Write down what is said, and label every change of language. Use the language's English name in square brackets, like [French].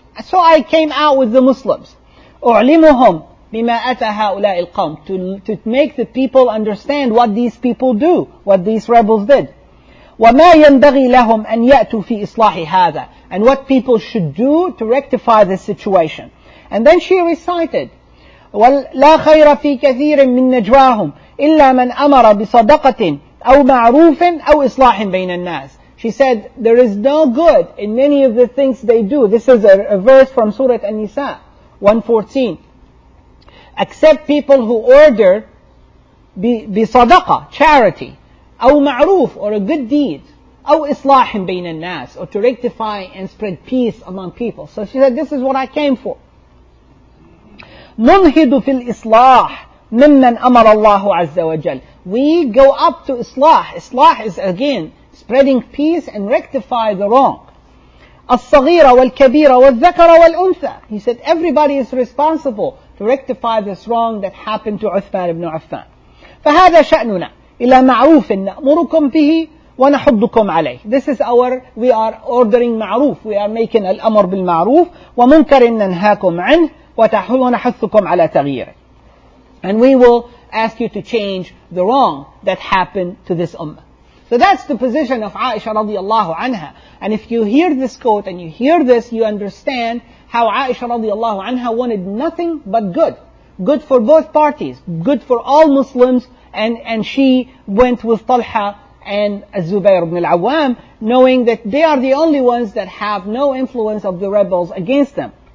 [English] So I came out with the Muslims. [Arabic] أُعْلِمُهُمْ بِمَا أَتَى هَؤُلَاءِ الْقَوْمِ, [English] to make the people understand what these people do, what these rebels did. [Arabic] وَمَا يَنْبَغِي لَهُمْ أَنْ يَأْتُوا فِي إِصْلَاحِ هَذَا, [English] and what people should do to rectify this situation. And then she recited, [Arabic] وَلَا خَيْرَ فِي كَثِيرٍ مِّن نَجْوَاهُمْ إِلَّا مَنْ أَمَرَ بِصَدَقَةٍ أو معروف أو إصلاح بين الناس. [English] She said, there is no good in many of the things they do. This is a verse from Surah An-Nisa 114. Except people who order [Arabic] بصدقه, [English] charity, [Arabic] أو معروف, [English] or a good deed, [Arabic] أو إصلاح بين الناس, [English] or to rectify and spread peace among people. So she said, this is what I came for. [Arabic] ننهد في الإصلاح ممن أمر الله عز وجل. [English] We go up to إصلاح. إصلاح is again spreading peace and rectify the wrong. [Arabic] الصغيرة والكبيرة والذكر والأنثى. [English] He said everybody is responsible to rectify this wrong that happened to Uthman ibn Affan. [Arabic] فهذا شأننا إلى معروف نأمركم به ونحضكم عليه. [English] This is our, we are ordering معروف. We are making [Arabic] الأمر بالمعروف ومنكر ننهاكم عنه ونحثكم على تغييره. [English] And we will ask you to change the wrong that happened to this ummah. So that's the position of Aisha radiallahu anha. And if you hear this quote and you hear this, you understand how Aisha radiallahu anha wanted nothing but good. Good for both parties. Good for all Muslims. And she went with Talha and Zubair ibn al-Awwam, knowing that they are the only ones that have no influence of the rebels against them.